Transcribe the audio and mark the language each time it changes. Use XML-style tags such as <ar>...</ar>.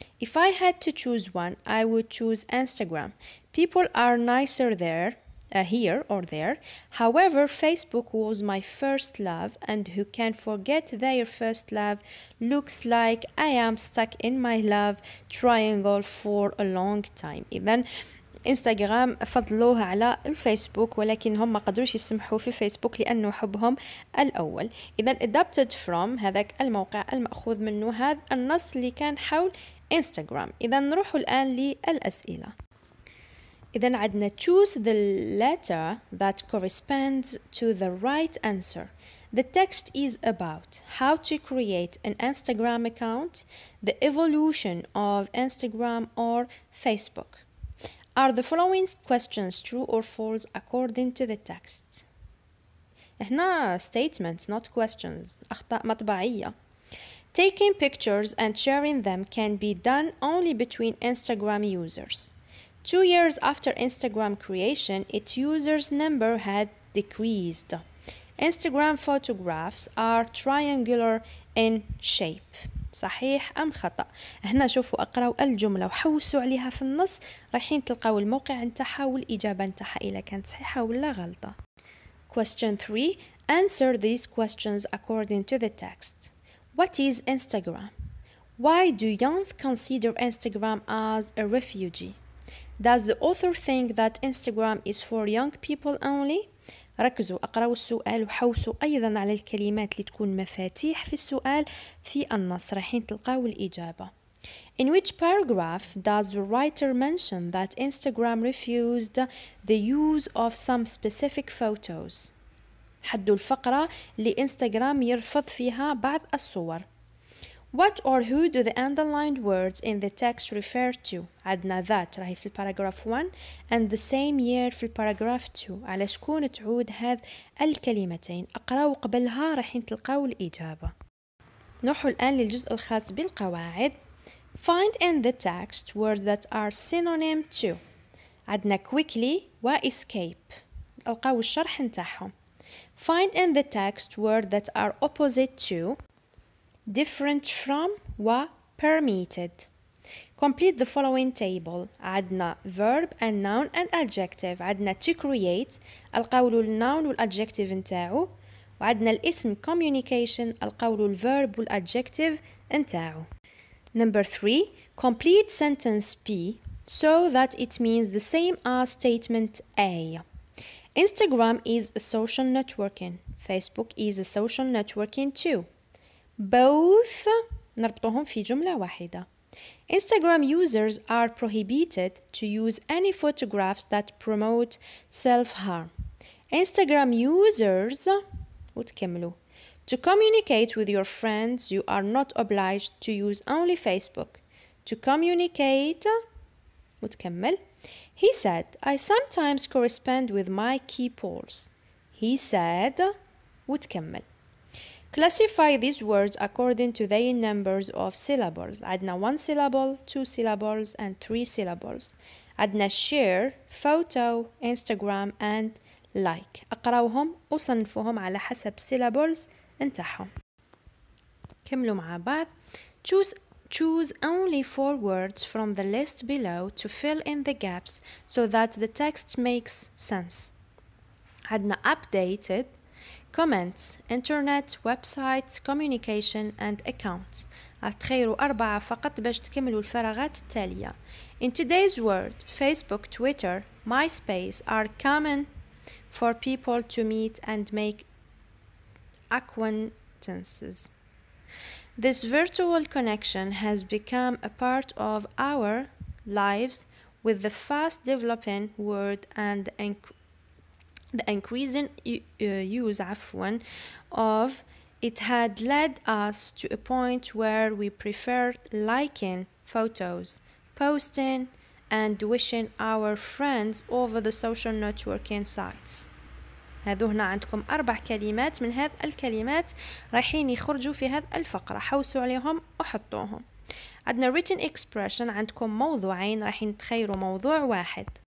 <en>If I had to choose one, I would choose Instagram. People are nicer there. Here or there. However, Facebook was my first love, and who can forget their first love? Looks like I am stuck in my love triangle for a long time.</en> <ar>إذن إنستغرام فضلوه على الفيسبوك ولكن هم ما قدروش يسمحوا في فيسبوك لأنه حبهم الأول. إذن</ar> <en>adapted from</en> <ar>هذاك الموقع المأخوذ منه هذا النص اللي كان حول إنستغرام. إذن نروح الآن للأسئلة. إذن عدنا</ar> <en>choose the letter that corresponds to the right answer. The text is about how to create an Instagram account, the evolution of Instagram or Facebook. Are the following questions true or false according to the text?</en> <ar>إحنا</ar> <en>statements, not questions.</en> <ar>أخطاء مطبعية.</ar> <en>Taking pictures and sharing them can be done only between Instagram users. 2 years after Instagram creation, its users number had decreased. Instagram photographs are triangular in shape.</en> <ar>صحيح أم خطأ؟ هنا شوفوا أقرأوا الجملة وحوسوا عليها في النص، رايحين تلقوا الموقع انتحى والإجابة انتحى إذا كانت صحيحة ولا غلطة.</ar> <en>Question 3. Answer these questions according to the text. What is Instagram? Why do youth consider Instagram as a refugee? Does the author think that Instagram is for young people only?</en> <ar>ركزوا أقرأوا السؤال وحوسوا أيضا على الكلمات اللي تكون مفاتيح في السؤال في النص رايحين تلقاوا الإجابة.</ar> <en>In which paragraph does the writer mention that Instagram refused the use of some specific photos?</en> <ar>حدوا الفقرة اللي إنستغرام يرفض فيها بعض الصور.</ar> <en>What or who do the underlined words in the text refer to?</en> <ar>عدنا</ar> <en>that</en> <ar>راهي في</ar> <en>paragraph 1 and the same year</en> <ar>في</ar> <en>paragraph 2.</en> <ar>على شكون تعود هذ الكلمتين؟ أقرأوا قبلها رايحين تلقاو الإجابة. نروحوا الآن للجزء الخاص بالقواعد.</ar> <en>Find in the text words that are synonym to.</en> <ar>عدنا quickly و escape. ألقاو الشرح نتاعهم.</ar> <en>Find in the text words that are opposite to. Different from و permitted. Complete the following table.</en> <ar>عدنا</ar> <en>verb and noun and adjective. عدنا to create.</en> <ar>القول النون والadjective انتاعو. وعدنا الاسم communication. القول الverb والadjective انتاعو.</ar> <en>Number 3. Complete sentence B so that it means the same as statement A. Instagram is a social networking. Facebook is a social networking too.</en> <ar>Both نربطهم في جملة واحدة.</ar> <en>Instagram users are prohibited to use any photographs that promote self-harm. Instagram users</en> <ar>وتكملوا.</ar> <en>To communicate with your friends, you are not obliged to use only Facebook. To communicate</en> <ar>وتكمل.</ar> <en>He said, I sometimes correspond with my key pals. He said</en> <ar>وتكمل.</ar> <en>Classify these words according to their numbers of syllables.</en> <ar>عدنا</ar> <en>one syllable, two syllables, and three syllables.</en> <ar>عدنا</ar> <en>share, photo, Instagram, and like.</en> <ar>أقرأوهم وصنفوهم على حسب syllables انتحهم. كملوا مع بعض.</ar> <en>Choose only four words from the list below to fill in the gaps so that the text makes sense.</en> <ar>عدنا</ar> <en>updated. Comments, internet, websites, communication, and account.</en> <ar>أتخيروا أربعة فقط باش تكملوا الفراغات التالية.</ar> <en>In today's world, Facebook, Twitter, MySpace are common for people to meet and make acquaintances. This virtual connection has become a part of our lives with the fast developing world and the increasing use of it had led us to a point where we prefer liking photos, posting and wishing our friends over the social networking sites.</en> <ar>هذو هنا عندكم أربع كلمات من هذ الكلمات رايحين يخرجوا في هذ الفقرة حوسوا عليهم وحطوهم. عندنا</ar> <en>written expression</en> <ar>عندكم موضوعين رايحين تخيروا موضوع واحد.</ar>